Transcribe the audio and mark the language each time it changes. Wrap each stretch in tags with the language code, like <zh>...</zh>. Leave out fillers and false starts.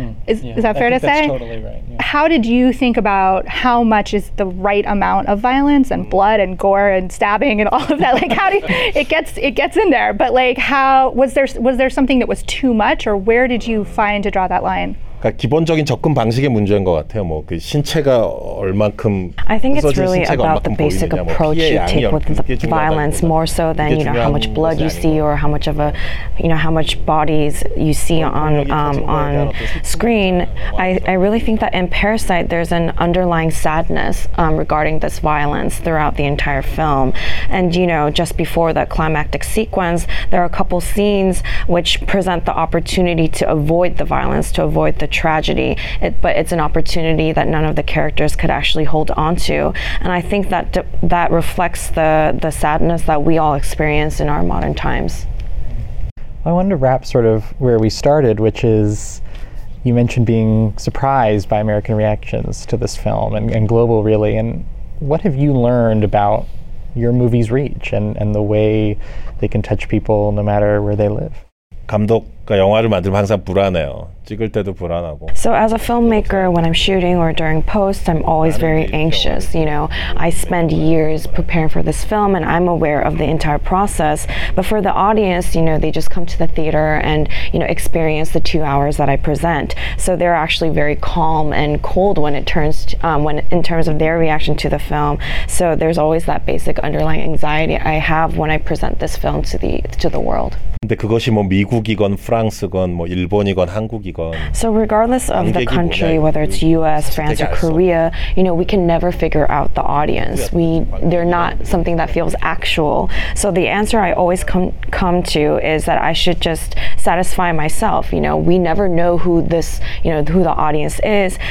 <en>Is that fair to say? That's totally right. Yeah. How did you think about how much is the right amount of violence and blood and gore and stabbing and all of that? Like, how do you, it gets in there, but like, how was there something that was too much, or where did you find to draw that line?</en> <ko>그러니까 기본적인 접근 방식의 문제인 것 같아요. 뭐 그 신체가 얼만큼</ko> <en>I think it's really about the basic approach you take with the violence more so than you know how much blood you see or how much of a you know how much bodies you see on screen. I really think that in Parasite there's an underlying sadness regarding this violence throughout the entire film. And you know, just before the climactic sequence, there are a couple scenes which present the opportunity to avoid the violence, to avoid the tragedy, but it's an opportunity that none of the characters could actually hold on to. And I think that that reflects the sadness that we all experience in our modern times. I wanted to wrap sort of where we started, which is you mentioned being surprised by American reactions to this film and global, really. And what have you learned about your movie's reach and the way they can touch people no matter where they live?</en> <ko>감독과 영화를 만들면 항상 불안해요. 찍을 때도 불안하고.</ko> <en>So as a filmmaker, when I'm shooting or during post, I'm always very anxious. You know, I spend years preparing for this film, and I'm aware of the entire process. But for the audience, you know, they just come to the theater and you know experience the 2 hours that I present. So they're actually very calm and cold when it turns when in terms of their reaction to the film. So there's always that basic underlying anxiety I have when I present this film to the world.</en> <ko>근데 그것이 뭐 미국이건 프랑스건 뭐 일본이건 한국이건</ko> <en>So regardless of the country, whether it's US, France or Korea, you know, we can never figure out the audience. They're not something that feels actual. So the answer I always come to is that I should just satisfy myself. You know, we never know who this, you know, who the audience is.</en>